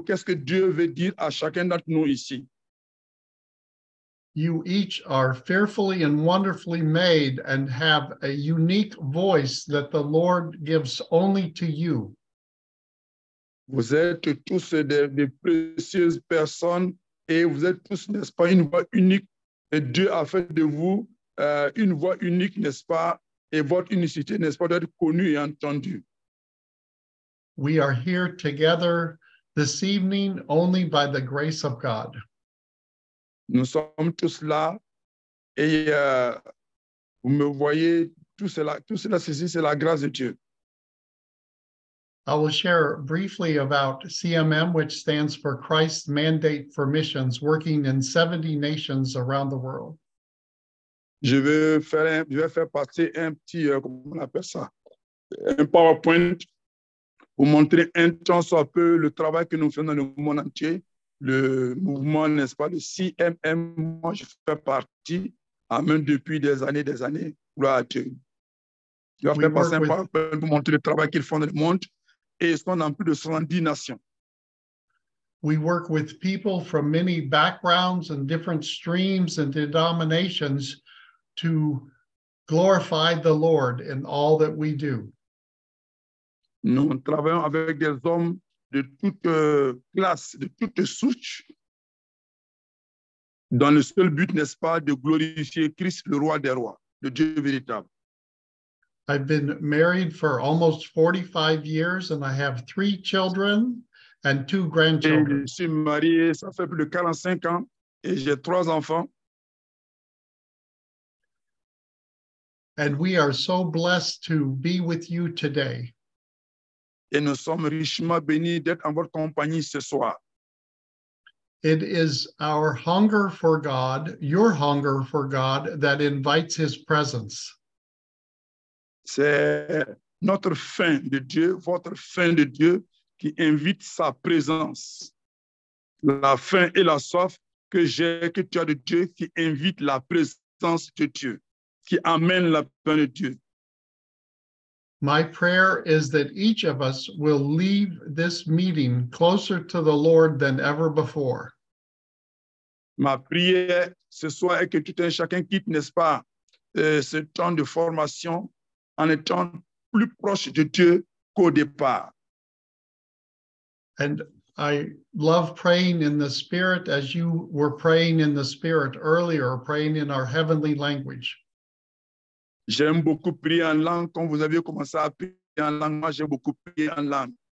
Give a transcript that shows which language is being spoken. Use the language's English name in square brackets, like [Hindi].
[French] Qu'est-ce que Dieu veut dire à chacun d'entre nous ici? [English] You each are fearfully and wonderfully made and have a unique voice that the Lord gives only to you. [French] Vous êtes tous des précieuses personnes et vous êtes tous, n'est-ce pas, une voix unique et Dieu a fait de vous une voix unique, n'est-ce pas, et votre unicité, n'est-ce pas, doit être connue et entendue. [English] We are here together this evening only by the grace of God. [French] Nous sommes tous là et vous me voyez, tout cela, c'est la grâce de Dieu. [English] I will share briefly about CMM, which stands for Christ's Mandate for Missions, working in 70 nations around the world. [French] Je vais faire passer un petit, comment on appelle ça, un PowerPoint pour montrer un temps soit peu le travail que nous faisons dans le monde entier, le mouvement, n'est-ce pas, le CMM. Moi, je fais partie, même depuis des années, gloire à Dieu. Je vais faire passer un PowerPoint pour montrer le travail qu'ils font dans le monde et ils sont dans plus de 70 nations. [English] We work with people from many backgrounds and different streams and denominations to glorify the Lord in all that we do. [French] Nous travaillons avec des hommes de toute classe, de toute souche, dans le seul but, n'est-ce pas, de glorifier Christ, le roi des rois, le Dieu véritable. [English] I've been married for almost 45 years and I have 3 children and 2 grandchildren. [French] Je suis marié, ça fait plus de 45 ans et j'ai 3 enfants. [English] And we are so blessed to be with you today. [French] Et nous sommes richement bénis d'être en votre compagnie ce soir. [English] It is our hunger for God, your hunger for God, that invites his presence. [French] C'est notre faim de Dieu, votre faim de Dieu, qui invite sa présence. La faim et la soif que j'ai, que tu as de Dieu, qui invite la présence de Dieu, qui amène la paix de Dieu. [English] My prayer is that each of us will leave this meeting closer to the Lord than ever before. [French] Ma prière ce soir est que tout un chacun quitte, n'est-ce pas, ce temps de formation en étant plus proche de Dieu qu'au départ. [English] And I love praying in the Spirit as you were praying in the Spirit earlier, praying in our heavenly language. [French] J'aime beaucoup prier en langue. Quand vous avez commencé à prier en langue, moi, j'aime beaucoup prier en langue.